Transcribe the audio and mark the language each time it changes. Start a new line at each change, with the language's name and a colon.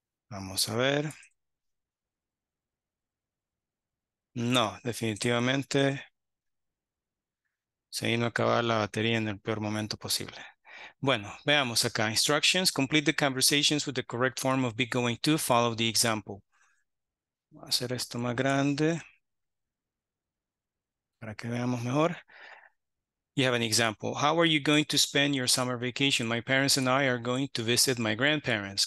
Spanish: Vamos a ver. No, definitivamente se vino a acabar la batería en el peor momento posible. Bueno, veamos acá. Instructions.
English: Complete the conversations with the correct form of be going to. Follow the example.
Spanish: Voy a hacer esto más grande para que veamos mejor.
English: You have an example. How are you going to spend your summer vacation? My parents and I are going to visit my grandparents.